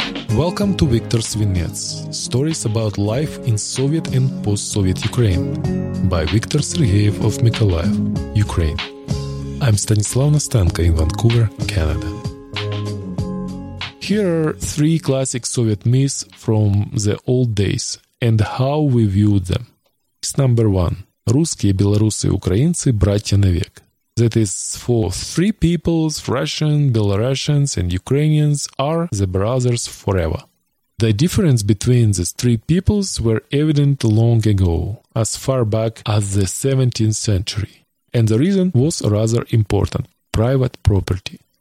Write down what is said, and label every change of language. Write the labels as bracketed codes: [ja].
[en] Welcome to Victor's Vignettes, stories about life in Soviet and post-Soviet Ukraine, by Viktor Sergeyev of Mykolaiv, Ukraine. I'm Stanislav Nastenko in Vancouver, Canada. Here are three classic Soviet myths from the old days and how we viewed them. It's number one. [ru] Русские, белорусы, украинцы, братья навек. [en] That is, for three peoples, Russian, Belarusians, and Ukrainians are the brothers forever. The difference between these three peoples were evident long ago, as far back as the 17th century. And the reason was rather important – private property.